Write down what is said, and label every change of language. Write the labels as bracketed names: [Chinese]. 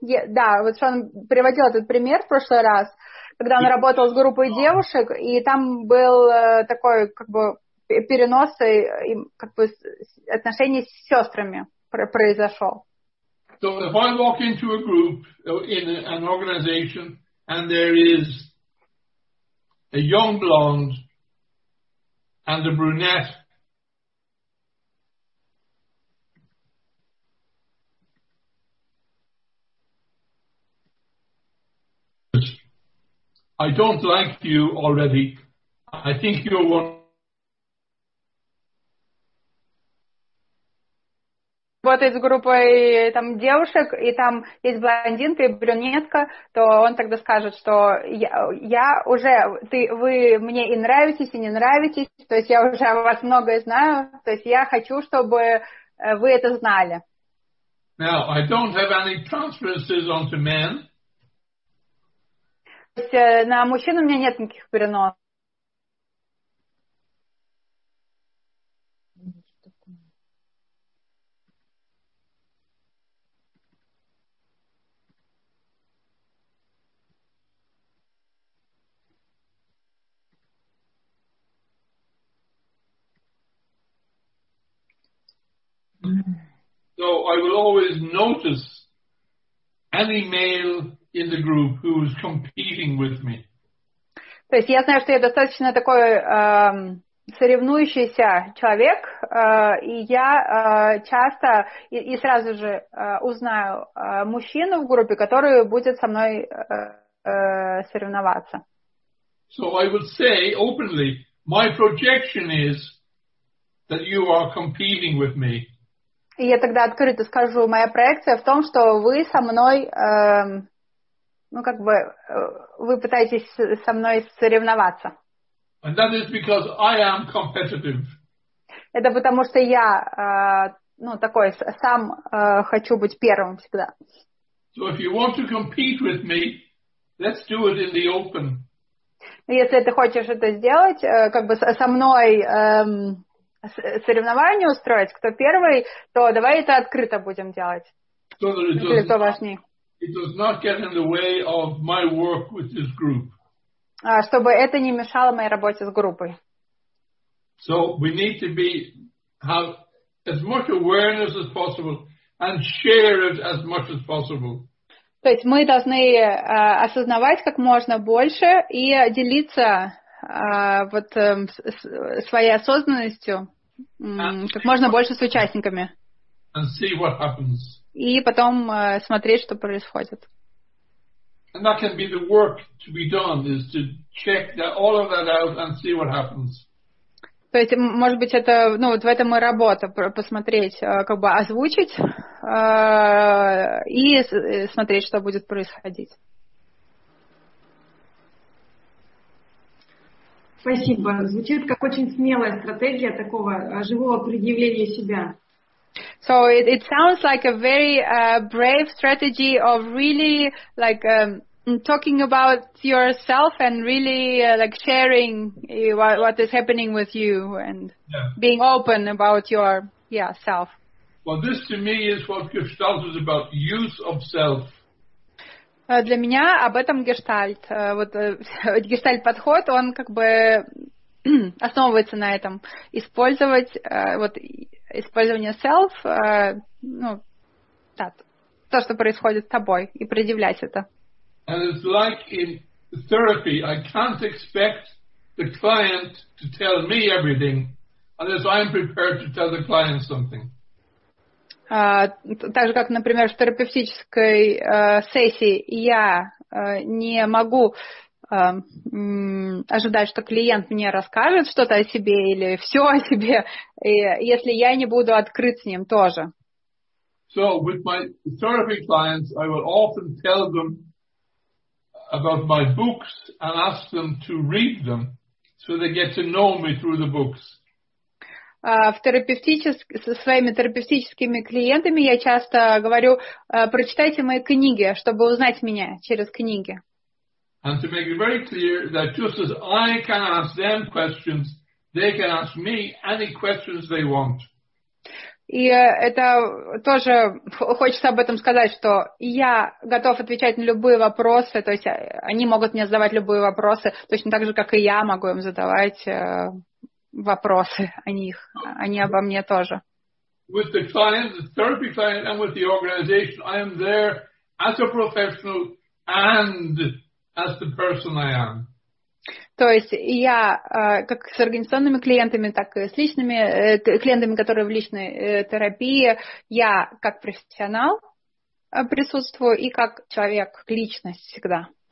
[English] Yeah, [Russian] да, вот Шон приводил этот пример в прошлый раз, когда он работал с группой девушек, и там был такой как бы перенос и как бы отношения с сестрами произошел. [English] So if I walk into a group in an organization and there is a young blonde and a brunette, I don't like you already. I think you're one. [Russian] Работает с группой там девушек, и там есть блондинка и брюнетка, то он тогда скажет, что я уже, вы мне и нравитесь, и не нравитесь, то есть я уже о вас многое знаю, то есть я хочу, чтобы вы это знали. [English] Now, I don't have any transferences onto men. [Russian] То есть на мужчин у меня нет никаких переносов. [English] So I will always notice any male in the group who is competing with me. [Russian] То есть я знаю, что я достаточно такой соревнующийся человек, и я часто и сразу же узнаю мужчину в группе, который будет со мной соревноваться. [English] So I would say openly, my projection is that you are competing with me. [Russian] И я тогда открыто скажу, моя проекция в том, что вы со мной, ну, как бы, вы пытаетесь со мной соревноваться. [English] And that is because I am competitive. [Russian] Это потому, что я, ну, такой, сам хочу быть первым всегда. [English] So if you want to compete with me, let's do it in the open. [Russian] Если ты хочешь это сделать, как бы со мной... соревнования устроить, кто первый, то давай это открыто будем делать. [English] So that [Russian] кто важней. [English] It does not get in the way of my work with this group. [Russian] Чтобы это не мешало моей работе с группой. [English] So we need to be have as much awareness as possible and share it as much as possible. [Russian] То есть мы должны осознавать как можно больше и делиться вот своей осознанностью как можно больше с участниками. [English] And see what happens. [Russian] И потом смотреть, что происходит. [English] And that can be the work to be done, is to check that, all of that out and see what happens. [Russian] То есть, может быть, это, ну, вот в этом и работа, посмотреть, как бы озвучить и смотреть, что будет происходить. Спасибо. Звучит как очень смелая стратегия такого живого предъявления себя. [English] So it sounds like a very brave strategy of really like talking about yourself and really like sharing what is happening with you and yeah. Being open about your self. Well, this to me is what Gestalt is about, use of self. [Russian] Для меня об этом гештальт. Вот гештальт-подход, он как бы основывается на этом. Использовать, вот, использование self, ну, да, то, что происходит с тобой, и предъявлять это. [English] And it's like in therapy, I can't expect the client to tell me everything unless I'm prepared to tell the client something. [Russian] Так же, как, например, в терапевтической сессии я не могу ожидать, что клиент мне расскажет что-то о себе или все о себе, если я не буду открыт с ним тоже. [English] So with my therapy clients, I will often tell them about my books and ask them to read them so they get to know me through the books. [Russian] Со своими терапевтическими клиентами я часто говорю, прочитайте мои книги, чтобы узнать меня через книги. [English] And to make it very clear that just as I can ask them questions, they can ask me any questions they want. [Russian] И это тоже хочется об этом сказать, что я готов отвечать на любые вопросы, то есть они могут мне задавать любые вопросы, точно так же, как и я могу им задавать вопросы о них, они обо мне тоже. [English] With the client, the therapy client, and with the organization, I am there as a professional and as the person I am. [Russian] То есть я как с организационными клиентами, так и с личными клиентами, которые в личной терапии, я как профессионал присутствую и как человек, личность всегда.